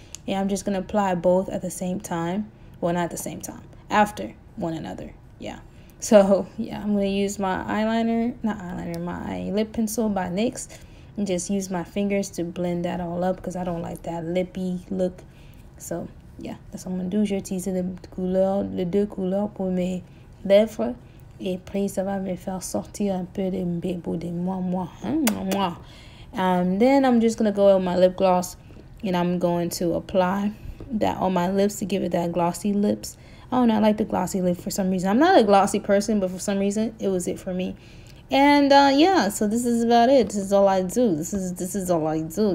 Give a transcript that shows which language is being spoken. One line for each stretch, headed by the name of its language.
English: Yeah, I'm just going to apply both at the same time. Well, not at the same time. After one another. Yeah. So, yeah, I'm going to use my eyeliner. Not eyeliner. My lip pencil by NYX. And just use my fingers to blend that all up because I don't like that lippy look. So, yeah. That's what I'm going to do.
French: Je vais utiliser les deux couleurs pour mes lèvres. Et puis, ça va me faire sortir un peu de bébé de moi, moi. Hein? Moi.
English: Then, I'm just going to go with my lip gloss. And I'm going to apply that on my lips to give it that glossy lips. Oh, and I like the glossy lip for some reason. I'm not a glossy person, but for some reason, it was it for me. And, yeah, so this is about it. This is all I do. This is all I do.